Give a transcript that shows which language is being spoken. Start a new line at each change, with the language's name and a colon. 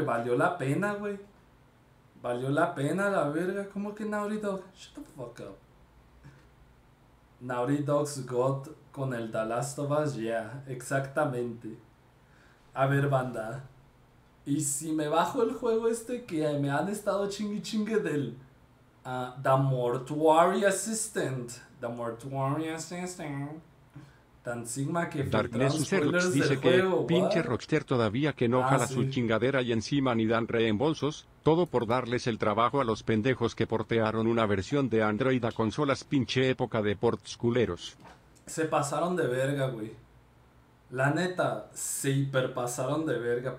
Spanish: Valió la pena, güey. Valió la pena, la verga. ¿Cómo que Naughty Dog?
English: Shut the fuck up.
Spanish: Naughty Dog's God con el The Last of Us, yeah. Exactamente. A ver, banda. ¿Y si me bajo el juego este que me han estado chingui chingue del...
English: The Mortuary Assistant. The Mortuary Assistant.
Spanish: Tan Sigma que Darkness Xerox dice que pinche Rockstar todavía que no jala su chingadera y encima ni dan reembolsos, todo por darles el trabajo a los pendejos que portearon una versión de Android a consolas, pinche época de ports culeros. Se pasaron de verga, güey. La neta, se hiperpasaron de verga.